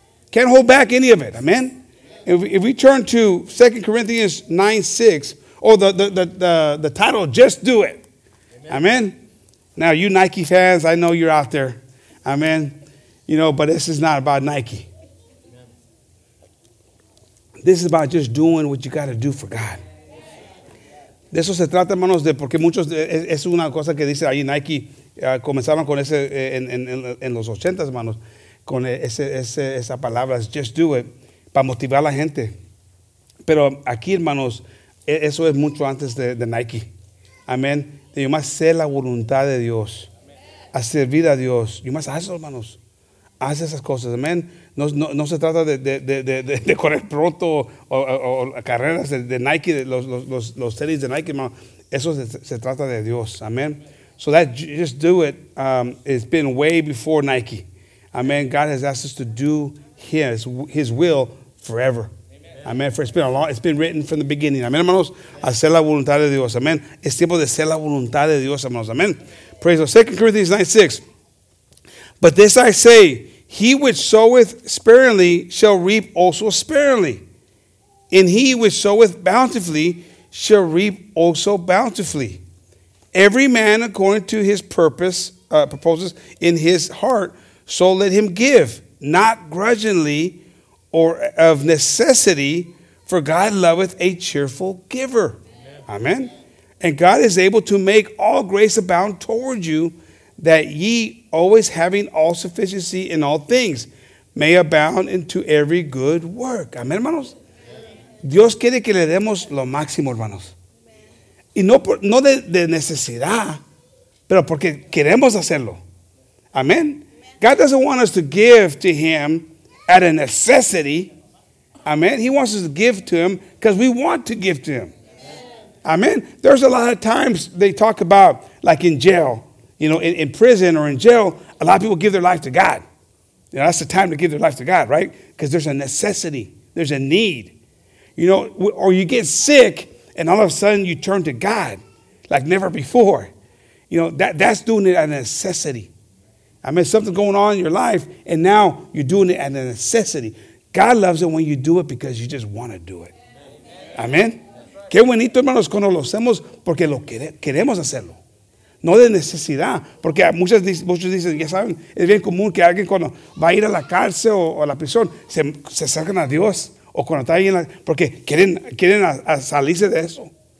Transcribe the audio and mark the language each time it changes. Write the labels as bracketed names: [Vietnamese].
[English] Can't hold back any of it. Amen. If we turn to 2 Corinthians 9:6, the title, Just Do It. Amen. Now, you Nike fans, I know you're out there. Amen. You know, but this is not about Nike. This is about just doing what you got to do for God. [Spanish] De eso se trata, hermanos, de porque muchos, es una cosa que dice ahí Nike, comenzaron con ese, en los ochentas, hermanos, con esa palabra, [English] just do it, [Spanish] para motivar a la gente. Pero aquí, hermanos, eso es mucho antes de Nike. Amén. [English] You must [Spanish] ser la voluntad de Dios. A servir a Dios. You must hacerlo, hermanos. Haz esas cosas, amén. No se trata de correr pronto o carreras de Nike, los tenis de Nike, hermano. Eso se trata de Dios, amén. [English] So that, just do it, it's been way before Nike. Amen. God has asked us to do his will forever. Amen. For it's been written from the beginning. Amen, hermanos. [Spanish] Hacer la voluntad de Dios, amén. Es tiempo de hacer la voluntad de Dios, hermanos, amén. [English] Praise the Lord. 2 Corinthians 9:6. But this I say, he which soweth sparingly shall reap also sparingly. And he which soweth bountifully shall reap also bountifully. Every man according to his purpose, proposes in his heart, so let him give, not grudgingly or of necessity, for God loveth a cheerful giver. Amen. Amen. And God is able to make all grace abound toward you, that ye, always having all sufficiency in all things, may abound into every good work. [Spanish] Amén, hermanos. Amen. Dios quiere que le demos lo máximo, hermanos. Amen. Y no de necesidad, pero porque queremos hacerlo. [English] Amén. God doesn't want us to give to him out of necessity. Amén. He wants us to give to him because we want to give to him. Amén. There's a lot of times they talk about, like in jail, you know, in prison or in jail, a lot of people give their life to God. You know, that's the time to give their life to God, right? Because there's a necessity. There's a need. You know, or you get sick and all of a sudden you turn to God like never before. You know, that's doing it out of necessity. I mean, something going on in your life and now you're doing it out of necessity. God loves it when you do it because you just want to do it. Amen? [Spanish] Qué bonito, hermanos, cuando lo hacemos porque lo queremos hacerlo. No de necesidad, porque muchos dicen, ya saben, es bien común que alguien cuando va a ir a la cárcel o a la prisión, se acercan a Dios, o cuando está ahí, porque quieren a salirse de eso.